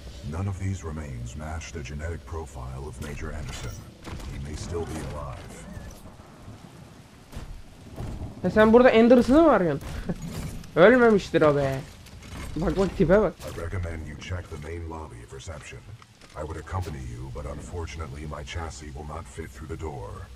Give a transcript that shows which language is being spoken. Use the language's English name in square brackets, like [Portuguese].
[English] None of these remains match the genetic profile of Major Anderson. He may still be alive. [Turkish] Sen burada Anderson'ı mı arıyorsun? Ölmemiştir o be. Bak bak tipe bak. [English] I recommend you check the main lobby of reception. I would accompany you, but unfortunately my chassis will not fit through the door.